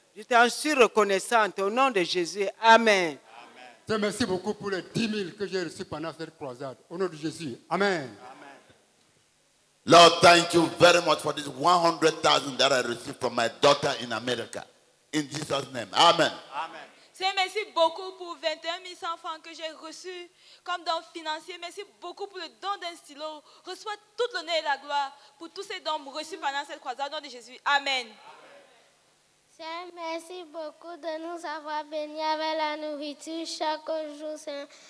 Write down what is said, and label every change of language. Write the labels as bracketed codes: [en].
[fr] Je t'en suis reconnaissante au nom de Jésus. Amen. Amen. Seigneur, merci beaucoup pour les 10 000 que j'ai reçus pendant cette croisade. Au nom de Jésus. Amen. Amen. [en] Lord, thank you very much for this 100,000 that I received from my daughter in America. In Jesus' name. Amen. Amen. [fr] Seigneur, merci beaucoup pour 21 100 francs que j'ai reçus comme don financier. Merci beaucoup pour le don d'un stylo. Reçois toute l'honneur et la gloire pour tous ces dons reçus pendant cette croisade. Au nom de Jésus. Amen. Seigneur, merci beaucoup de nous avoir bénis avec la nourriture chaque jour, Seigneur.